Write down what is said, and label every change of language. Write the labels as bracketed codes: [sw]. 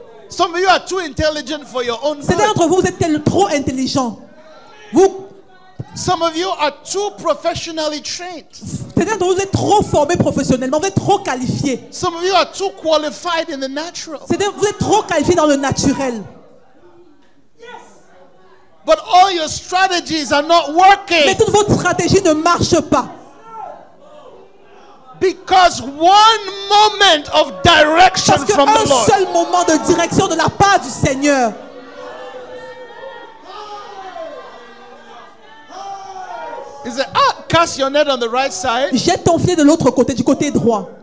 [en] Some of you are too intelligent for your own good. [fr] Certains d'entre vous êtes trop intelligents. Vous. [en] Some of you are too professionally trained. [fr] Certains d'entre vous êtes trop formés professionnellement. Vous êtes trop qualifiés. [en] Some of you are too qualified in the natural. [fr] Certains vous êtes trop qualifiés dans le naturel. [en] But all your strategies are not working. [fr] Mais toutes vos stratégies ne marchent pas. [en] Because one moment of direction from the [fr] Parce qu'un seul moment de direction de la part du Seigneur. [en] Is it, cast your net on the right side. [fr] Jette ton filet de l'autre côté, du côté droit.